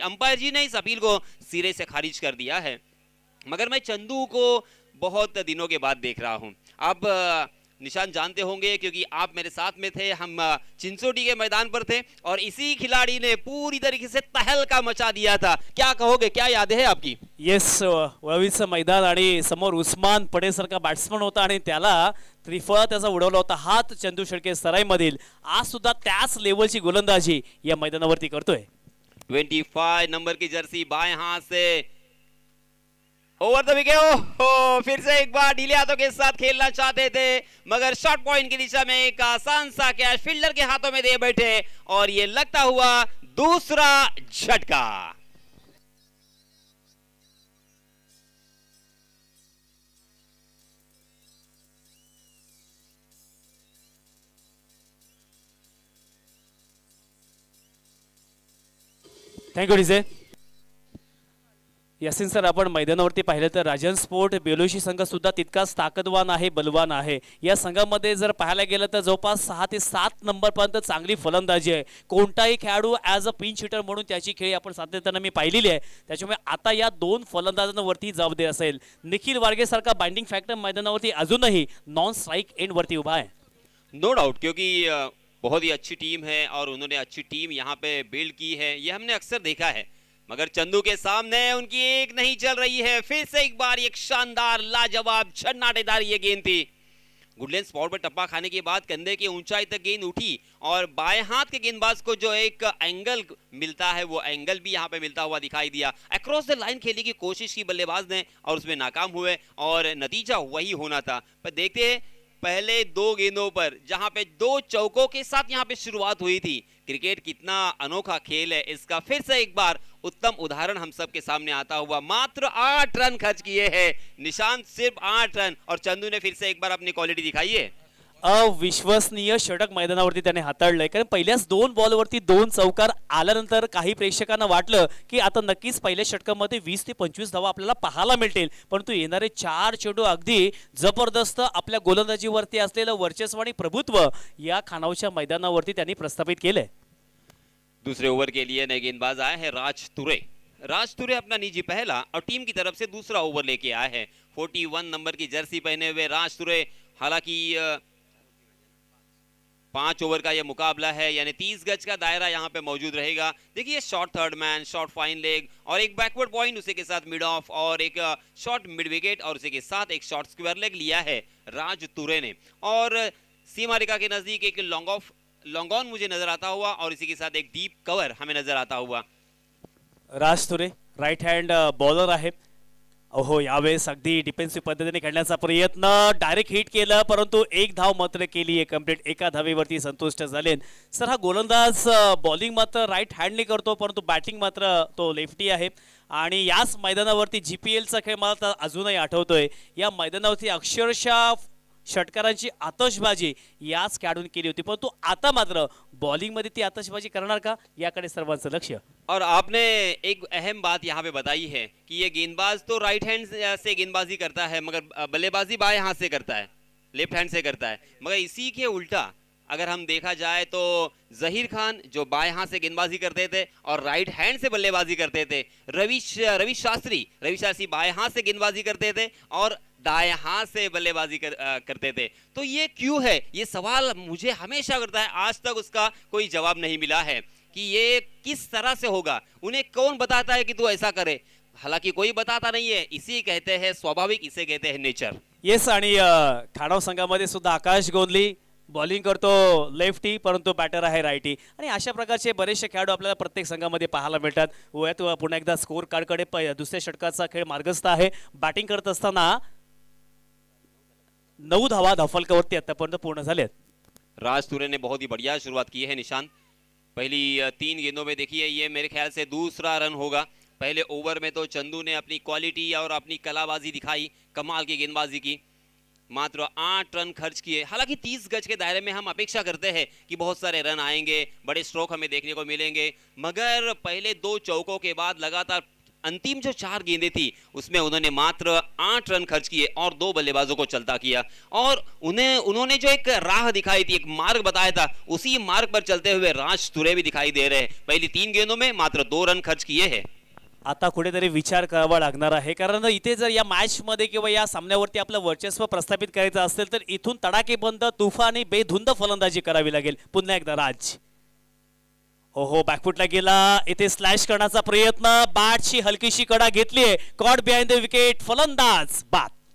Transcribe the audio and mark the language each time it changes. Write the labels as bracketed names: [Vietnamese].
[Hindi] Umpire जी ने इस appeal को सिरे से खारिज कर दिया है। मगर मैं चंदू को बहुत दिनों के बाद देख रहा हूं। अब निशान जानते होंगे क्योंकि आप मेरे साथ में थे, हम चिंचोटी के मैदान पर थे और इसी खिलाड़ी ने पूरी तरीके से तहलका मचा दिया था। क्या कहोगे, क्या याद है आपकी? [Marathi] येस, वीस मैदान आणि समोर उस्मान पडे सारखा बॅट्समन होता आणि त्याला त्रिफळा त्याचा उडवला होता हात चंदू शेळके सराईमधील। आज सुद्धा त्याच लेवलची गोलंदाजी या मैदानावरती करतोय। [Hindi] 25 नंबर की जर्सी बाय हाथ से ओवर द विकेट। ओहो, फिर से एक बार ढीले हाथों के साथ खेलना चाहते थे मगर शॉर्ट पॉइंट की दिशा में एक आसान सा कैच फील्डर के हाथों में दे बैठे और ये लगता हुआ दूसरा झटका। [English] Thank you DJ. [Marathi] Yasin sir, आपण मैदानावरती पाहिलं तर राजन स्पोर्ट बेलोशी संघ सुद्धा तितकाच ताकदवान आहे, बलवान आहे। या संघामध्ये जर पाहायला गेलं तर जवळपास 6 ते 7 नंबरपर्यंत चांगली फलंदाजी आहे। कोणताही खेळाडू [English] as a pinch hitter [Marathi] म्हणून त्याची खेळी आपण सातत्यानं मी पाहिलेली आहे, त्याच्यामुळे आता या दोन फलंदाजांवरती जबाबदारी असेल। निखिल वार्गेसारखा बाइंडिंग फॅक्टर मैदानावरती अजूनही नॉन स्ट्राईक एंडवरती उभा आहे। [English] no doubt, [Hindi] क्योंकि बहुत ही अच्छी टीम है और उन्होंने अच्छी टीम यहाँ पे बिल्ड की है, ये हमने अक्सर देखा है। मगर चंदू के सामने उनकी एक नहीं चल रही है। फिर से एक बार एक शानदार लाजवाब छन्नाटेदार ये गेंद थी। गुडलेन स्पॉट पर टप्पा खाने के बाद कंधे की ऊंचाई तक गेंद उठी और बाएं हाथ के गेंदबाज को जो एक एंगल मिलता है वो एंगल भी यहां पे मिलता हुआ दिखाई दिया। अक्रॉस द लाइन खेलने की कोशिश की बल्लेबाज ने और उसमें नाकाम हुए और नतीजा वही होना था। पर देखते हैं पहले दो गेंदों पर जहां पे दो चौकों के साथ यहां पे शुरुआत हुई थी, क्रिकेट कितना अनोखा खेल है इसका फिर से एक बार उत्तम उदाहरण हम सबके सामने आता हुआ। मात्र 8 रन खर्च किए हैं निशांत, सिर्फ 8 रन और चंदू ने फिर से एक बार अपनी क्वालिटी दिखाई है। [Marathi] अविश्वसनीय षटक मैदानावरती त्याने हाताळलंय, कारण पहिल्याच दोन बॉलवरती दोन चौकार आल्यानंतर काही प्रेक्षकांना वाटलं की आता नक्कीच पहिल्या षटकामध्ये 20 ते 25 धावा आपल्याला पाहायला मिळतील, परंतु येणारे 4 चेंडू अगदी जबरदस्त आपल्या गोलंदाजीवरती असलेलं वर्चस्व आणि प्रभुत्व या खानावच्या मैदानावरती त्यांनी प्रस्थापित केलंय। [Hindi] दुसरे ओव्हर के लिए नए गेंदबाज आए हैं राज तुरे। राज तुरे अपना निजी पहला और टीम की तरफ से दूसरा ओवर लेके आए हैं। 41 नंबर की जर्सी पहने हुए राज तुरे, हालांकि 5 ओवर का यह मुकाबला है यानी 30 गज का दायरा यहां पे मौजूद रहेगा। देखिए short third man, short fine leg और एक बैकवर्ड पॉइंट, उसी के साथ मिड ऑफ और एक शॉर्ट मिड विकेट और उसी के साथ एक शॉर्ट स्क्वायर लेग लिया है राज तुरे ने। और सीमा रेखा के नजदीक एक लॉन्ग ऑफ लॉन्ग ऑन मुझे नजर आता हुआ और इसी के साथ एक डीप कवर हमें नजर आता हुआ। राज तुरे राइट हैंड बॉलर है। [Marathi] ओहो, यावेळेस अगदी डिफेन्सिव्ह पद्धतीने खेळण्याचा प्रयत्न, डायरेक्ट हिट केलं परंतु एक धाव मात्र केली आहे कंप्लीट, एका धावेवरती संतुष्ट झाले। सर, हा गोलंदाज बॉलिंग मात्र राईट हँडने करतो परंतु बॅटिंग मात्र तो लेफ्टी आहे आणि याच मैदानावरती GPL चा खेळ मला अजूनही आठवतोय। या मैदानावरती अक्षरशः षटकारांची आतषबाजी याच खेळाडून केली होती, परंतु आता मात्र बॉलिंगमध्ये ती आतषबाजी करणार का याकडे सर्वांचं लक्ष। [Hindi] और आपने एक अहम बात यहाँ पे बताई है कि ये गेंदबाज तो राइट हैंड से गेंदबाजी करता है मगर बल्लेबाजी बाएं हाथ से करता है, लेफ्ट हैंड से करता है। मगर इसी के उल्टा अगर हम देखा जाए तो जहीर खान जो बाएं हाथ से गेंदबाजी करते थे और राइट हैंड से बल्लेबाजी करते थे, रवि शास्त्री बाएं हाथ से गेंदबाजी करते थे और दाएं हाथ से बल्लेबाजी करते थे। तो ये क्यों है, ये सवाल मुझे हमेशा करता है, आज तक उसका कोई जवाब नहीं मिला है कि ये किस तरह से होगा, उन्हें कौन बताता है कि तू ऐसा करे। हालांकि कोई बताता नहीं है, इसी कहते हैं स्वाभाविक, इसे कहते हैं नेचर। [Marathi] येस, आणि खाणाव संघामध्ये सुद्धा आकाश गोंदली बॉलिंग करतो लेफ्टी परंतु बॅटर आहे राईटी आणि अशा प्रकारचे बरेचसे खेळाडू आपल्याला प्रत्येक संघामध्ये पाहायला मिळतात। वयात पुन्हा एकदा स्कोर कार्डकडे, दुसऱ्या षटकाचा खेळ मार्गस्थ आहे, बॅटिंग करत असताना 9 धावा धफलकावरती आतापर्यंत पूर्ण झाल्यात। [Hindi] राज तुरेने बहुत ही बढिया शुरुआत की है निशांत, पहली 3 गेंदों में देखिए ये मेरे ख्याल से दूसरा रन होगा पहले ओवर में तो चंदू ने अपनी क्वालिटी और अपनी कलाबाजी दिखाई, कमाल की गेंदबाजी की, मात्र 8 रन खर्च किए। हालांकि 30 गज के दायरे में हम अपेक्षा करते हैं कि बहुत सारे रन आएंगे, बड़े स् ट्रोक हमें देखने को मिलेंगे, मगर पहले 2 चौकों के बाद लगातार अंतिम जो 4 गेंदें थी उसमें उन्होंने मात्र 8 रन खर्च किए और 2 बल्लेबाजों को चलता किया। और उन्हें उन्होंने जो एक राह दिखाई थी, एक मार्ग बताया था, उसी मार्ग पर चलते हुए राज तुरे भी दिखाई दे रहे हैं। पहली 3 गेंदों में मात्र 2 रन खर्च किए हैं। [Marathi] आता कुठेतरी विचार करावा लागणार आहे, कारण इथे जर या मॅच मध्ये किंवा या सामन्यावरती आपलं वर्चस्व प्रस्थापित करायचं असेल तर इथून तडाकेबंद तुफानी बेधुंद फलंदाजी करावी लागेल। पुन्हा एकदा राज, ओहो बॅकफुटला गेला, इथे स्लॅश करण्याचा प्रयत्न, बॅटची हलकीशी कडा घेतलीये, कॉट बिहाइंड द विकेट, फलंदाज बाद।